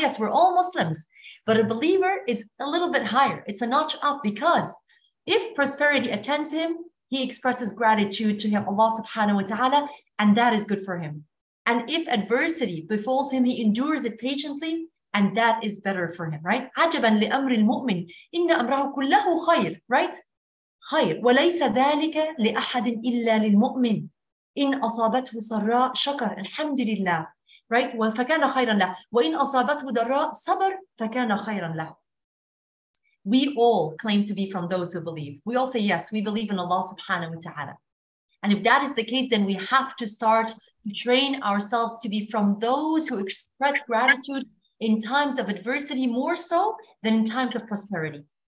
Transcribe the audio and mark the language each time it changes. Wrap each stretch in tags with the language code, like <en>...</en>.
<en>Yes, we're all Muslims, but a believer is a little bit higher. It's a notch up, because if prosperity attends him, he expresses gratitude to him, Allah subhanahu wa ta'ala, and that is good for him. And if adversity befalls him, he endures it patiently, and that is better for him, right?</en> <ar>عَجَبًا لِأَمْرِ الْمُؤْمِنِ إِنَّ أَمْرَهُ كُلَّهُ خَيْرٌ,</ar> <en>right?</en> <ar>خير وليس ذلك لأحد إلا للمؤمن إن أصابته سراء شكر الحمد لله,</ar> <en>right?</en> <ar>فكان خيرا له وإن أصابته ضراء صبر فكان خيرا له.</ar> <en>We all claim to be from those who believe. We all say, yes, we believe in Allah subhanahu wa ta'ala. And if that is the case, then we have to start to train ourselves to be from those who express gratitude in times of adversity more so than in times of prosperity.</en>